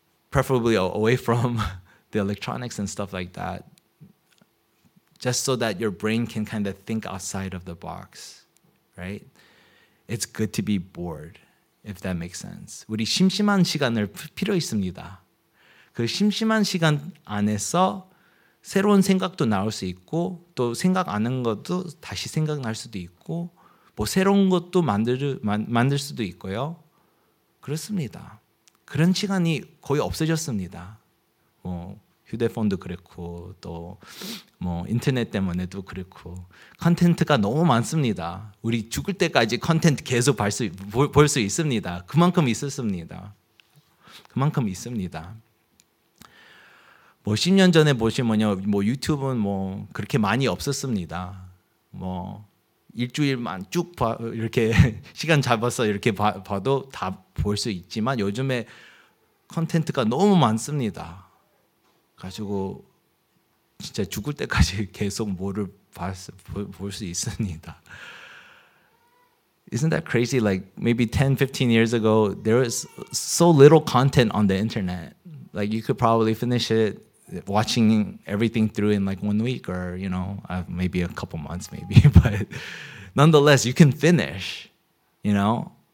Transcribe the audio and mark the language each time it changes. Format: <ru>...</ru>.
<en>Preferably away from the electronics and stuff like that. Just so that your brain can kind of think outside of the box, right? It's good to be bored, if that makes sense.</en> <ko>우리 심심한 시간을 필요 있습니다. 그 심심한 시간 안에서 새로운 생각도 나올 수 있고 또 생각 안 한 것도 다시 생각날 수도 있고 뭐 새로운 것도 만들 수도 있고요. 그렇습니다. 그런 시간이 거의 없어졌습니다. 뭐 휴대폰도 그렇고 또 뭐 인터넷 때문에도 그렇고 콘텐츠가 너무 많습니다. 우리 죽을 때까지 콘텐츠 계속 볼 수 있습니다. 그만큼 있었습니다. 그만큼 있습니다. 뭐 10년 전에 보시면요, 뭐 유튜브는 뭐 그렇게 많이 없었습니다. 뭐 일주일만 쭉 이렇게 시간 잡아서 이렇게 봐도 다 볼 수 있지만 요즘에 콘텐츠가 너무 많습니다. 가지고 진짜 죽을 때까지 계속 뭐를 볼 수 있습니다.</ko> <en>Isn't that crazy? Like maybe 10, 15 years ago, there was so little content on the internet. Like you could probably finish it watching everything through in like 1 week or, you know, maybe a couple months maybe. But nonetheless, you can finish, you know.</en>